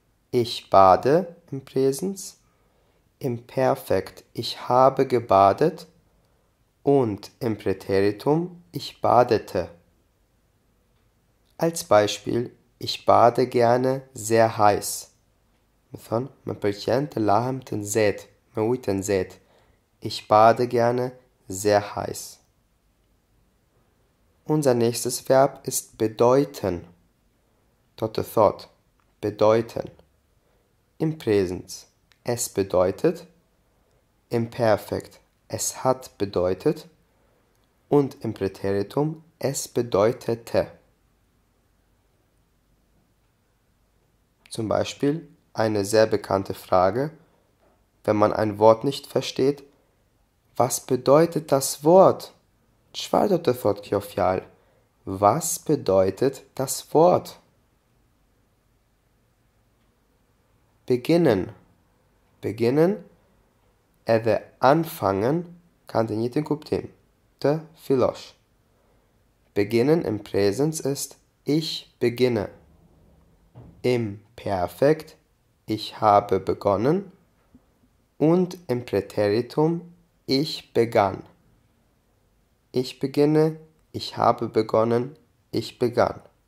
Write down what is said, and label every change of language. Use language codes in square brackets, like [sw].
[de] Ich bade im Präsens. Im Perfekt, ich habe gebadet. Und im Präteritum, ich badete. Als Beispiel, ich bade gerne sehr heiß. [sq] Mithon, me pëlqen të lahem të nxehtë, me ujë të nxehtë. [de] Ich bade gerne sehr heiß. Unser nächstes Verb ist bedeuten. [sq] Totë thot, [de] bedeuten. Im Präsens, es bedeutet. Im Perfekt, es hat bedeutet. Und im Präteritum, es bedeutete. Zum Beispiel eine sehr bekannte Frage, wenn man ein Wort nicht versteht. Was bedeutet das Wort? [sq] Çfarë thot kjo fjalë? [de] Was bedeutet das Wort? Beginnen. Beginnen. [sq] Edhe anfangen kann të njëjtin kuptim. Të fillosh. [de] Beginnen im Präsens ist ich beginne. Im Perfekt, ich habe begonnen. Und im Präteritum, ich begann. Ich beginne, ich habe begonnen, ich begann.